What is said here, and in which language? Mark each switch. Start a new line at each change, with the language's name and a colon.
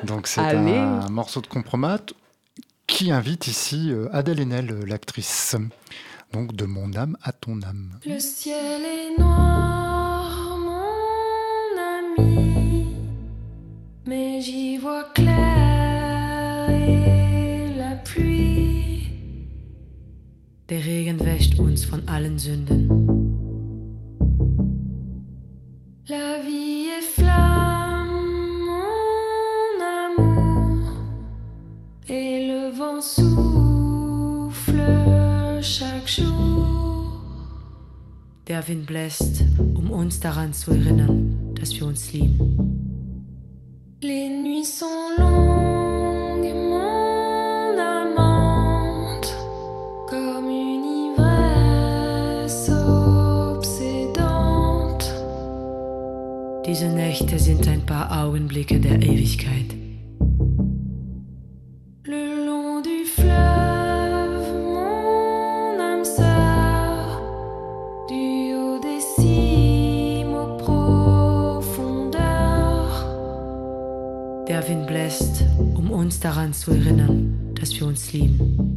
French: Donc, c'est un morceau de Compromat qui invite ici Adèle Haenel, l'actrice. Donc, de Mon âme à ton âme. Le ciel est noir. Mais j'y vois clair et la pluie.
German: Der Regen wäscht uns von allen Sünden.
French: La vie est flamme, mon amour. Et le vent souffle chaque jour.
German: Der Wind bläst, uns daran zu erinnern, dass wir uns lieben.
French: Les nuits sont longues, mon amante, comme une ivresse obsédante.
German: Diese Nächte sind ein paar Augenblicke der Ewigkeit.
French: Le long du fleuve, mon âme sœur, du haut des cimes aux profondeurs.
German: Der Wind bläst, uns daran zu erinnern, dass wir uns lieben.